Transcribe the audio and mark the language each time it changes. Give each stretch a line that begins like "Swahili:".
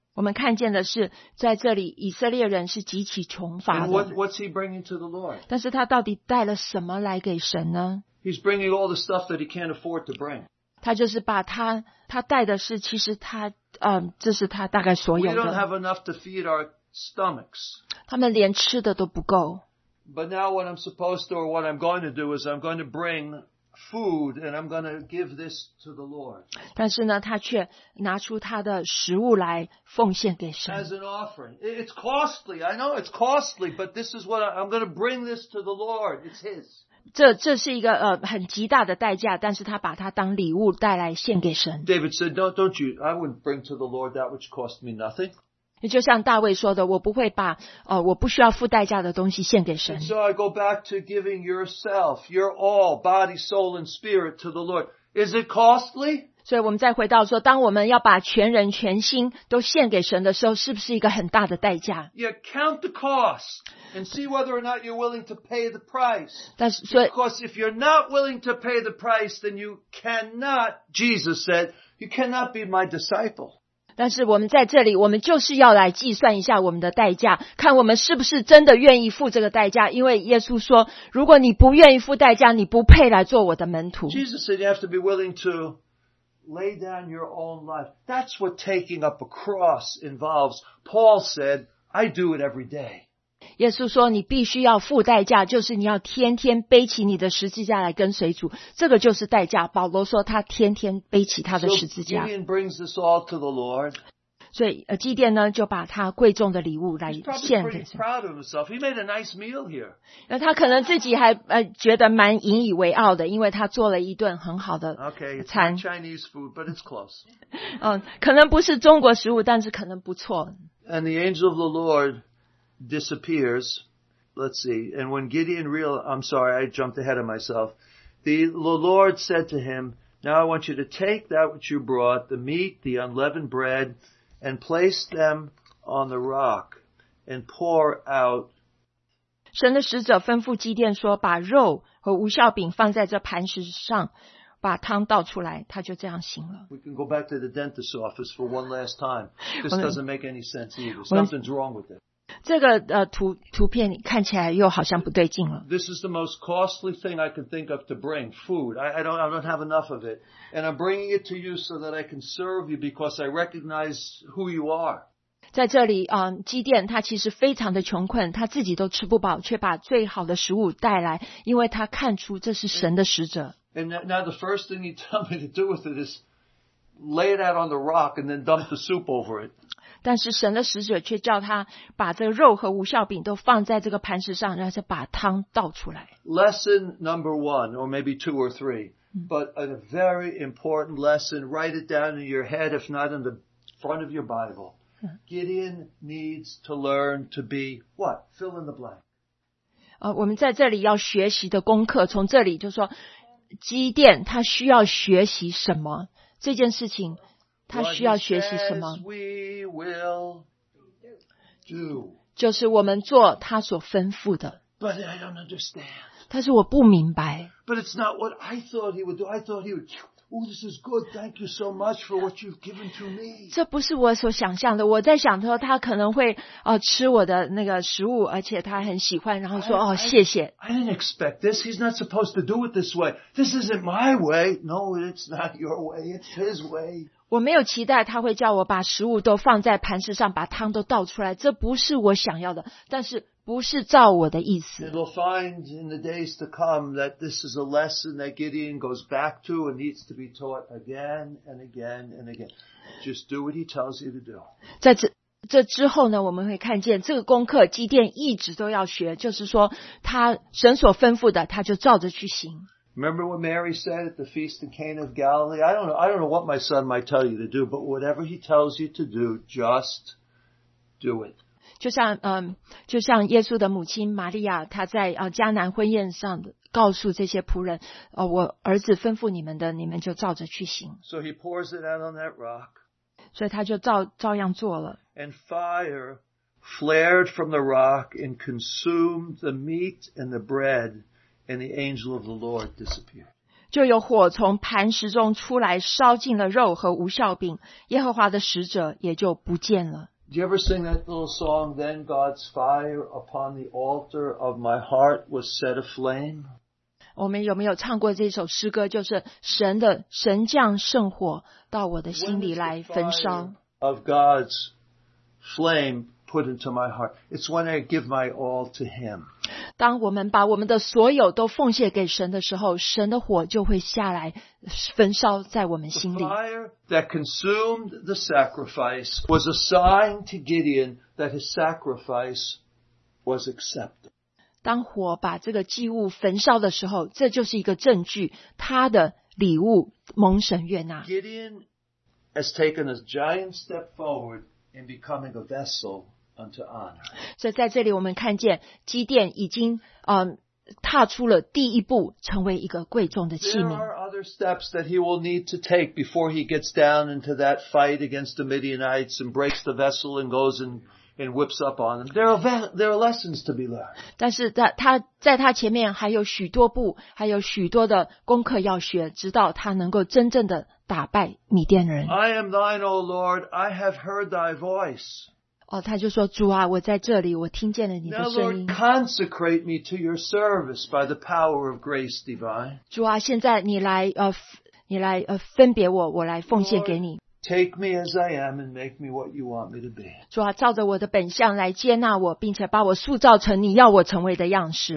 Chinese: 我们看见的是在这里以色列人是极其穷乏的。
English: What's he bringing to the Lord?
Chinese: 但是他到底带了什么来给神呢
English: ?He's bringing all the stuff that he can't afford to bring.
Chinese: 他就是把他带的是其实他这是他大概所有的。
English: We don't have enough to feed our stomachs.
Chinese: 他们连吃的都不够。
English: But now what I'm supposed to or what I'm going to do is I'm going to bring... food and I'm going to give this to the Lord.
Chinese: 但是呢他却拿出他的食物来奉献给神。
English: As an offering. It's costly. I know it's costly, but this is what I'm going to bring this to the Lord. It's his.
Chinese: 这是一个很极大的代价，但是他把它当礼物带来献给神。
English: David said, don't you, I wouldn't bring to the Lord that which cost me nothing.
Chinese: 就像大卫说的，我不会把我不需要付代价的东西献给神。
English: So I go back to giving yourself, your all, body, soul, and spirit to the Lord. Is it costly?
Chinese: 所以我们再回到说，当我们要把全人全心都献给神的时候，是不是一个很大的代价
English: ？Yeah, count the cost and see whether or not you're willing to pay the price.
Chinese: 但是，所以
English: ，because if you're not willing to pay the price, then you cannot. Jesus said, you cannot be my disciple.
Chinese: 但是我们在这里，我们就是要来计算一下我们的代价，看我们是不是真的愿意付这个代价。因为耶稣说，如果你不愿意付代价，你不配来做我的门徒。
English: Jesus said you have to be willing to lay down your own life. That's what taking up a cross involves. Paul said, I do it every day.
Chinese: 耶稣说，你必须要付代价，就是你要天天背起你的十字架来跟随主。这个就是代价。保罗说，他天天背起他的十字架。
English: So, Gideon brings this all to the Lord.
Chinese: 所以基甸呢，就把他贵重的礼物来献给神。
English: He's probably pretty proud of himself. He made a nice meal here.
Chinese: 那他可能自己还觉得蛮引以为傲的，因为他做了一顿很好的餐。
English: Okay, it's not Chinese food, but it's close.
Chinese: 可能不是中国食物，但是可能不错。
English: And the angel of the Lord. Disappears. Let's see. And when Gideon I'm sorry, I jumped ahead of myself. The Lord said to him, Now I want you to take that which you brought, the meat, the unleavened bread, and place them on the rock and pour out.
Chinese: 神的使者吩咐基甸说，把肉和无酵饼放在这磐石上，把汤倒出来，他就这样行了。
English: We can go back to the dentist's office for one last time. This doesn't make any sense either. Something's wrong with it.
Chinese: 这个图片看起来又好像不对劲了。
English: This is the most costly thing I can think of to bring food. I don't have enough of it, and I'm bringing it to you so that I can serve you because I recognize who you are.
Chinese: 在这里，基甸他其实非常的穷困，他自己都吃不饱，却把最好的食物带来，因为他看出这是神的使者。
English: And now the first thing you tell me to do with it is lay it out on the rock and then dump the soup over it.
Chinese: 但是神的使者却叫他把这个肉和无酵饼都放在这个磐石上，然后再把汤倒出来。
English: Lesson number one, or maybe two or three, but a very important lesson. Write it down in your head, if not in the front of your Bible. Gideon needs to learn to be what? Fill in the blank.
Chinese: 我们在这里要学习的功课，从这里就说，基甸他需要学习什么这件事情。他需要学习什么。
English: What he says we will do.
Chinese: 就是我们做他所吩咐的。
English: But I don't understand.
Chinese: 但是我不明白。
English: But it's not what I thought he would do. I thought he would, oh, this is good. Thank you so much for what you've given to me.
Chinese: 这不是我所想象的。我在想说他可能会吃我的那个食物，而且他很喜欢，然后说哦谢谢。
English: I didn't expect this. He's not supposed to do it this way. This isn't my way. No, it's not your way. It's his way.
Chinese: 我没有期待他会叫我把食物都放在盘子上，把汤都倒出来，这不是我想要的，但是不是照我的意思。
English: It will find in the days to come that this is a lesson that Gideon goes back to and needs to be taught again and again and again. Just do what he tells you to do.
Chinese: 在这之后呢，我们会看见这个功课基甸一直都要学，就是说他神所吩咐的他就照着去行。
English: Remember what Mary said at the feast in Cana of Galilee? I don't know what my son might tell you to do, but whatever he tells you to do, just do it.
Chinese: 就像耶稣的母亲玛利亚，她在迦南婚宴上告诉这些仆人，我儿子吩咐你们的，你们就照着去行。
English: So he pours it out on that rock.
Chinese: 所以他就照样做了。
English: And fire flared from the rock and consumed the meat and the bread. And the angel of the Lord disappeared.
Chinese: 就有火从磐石中出来，烧尽了肉和无酵饼，耶和华的使者也就不见了。
English: Do you ever sing that little song? Then God's fire upon the altar of my heart was set aflame.
Chinese: 我们有没有唱过这首诗歌？就是神降圣火到我的心里来焚烧。
English: When the fire of God's flame put into my heart, it's when I give my all to Him.
Chinese: 当我们把我们的所有都奉献给神的时候，神的火就会下来焚烧在我们心里。
English: The fire that consumed the sacrifice was a sign to Gideon that his sacrifice was accepted.
Chinese: 当火把这个祭物焚烧的时候，这就是一个证据，他的礼物蒙神悦纳。
English: Gideon has taken a giant step forward in becoming a vessel.
Chinese: 所以在这里我们看见基甸已经踏出了第一步，成为一个贵重的器皿。
English: There are other steps that he will need to take before he gets down into that fight against the Midianites and breaks the vessel and goes and whips up on them. There are lessons to be learned.
Chinese: 但是他在他前面还有许多步，还有许多的功课要学，直到他能够真正的打败米甸人。
English: I am thine, O Lord. I have heard thy voice.
Chinese: 他就说主啊我在这里我听见了你的声音。
English: Now Lord, consecrate me to your service by the power of grace divine.
Chinese: 主啊现在你来分别我我来奉献给你。
English: Lord, take me as I am and make me what you want me to be.
Chinese: 主啊照着我的本相来接纳我并且把我塑造成你要我成为的样式。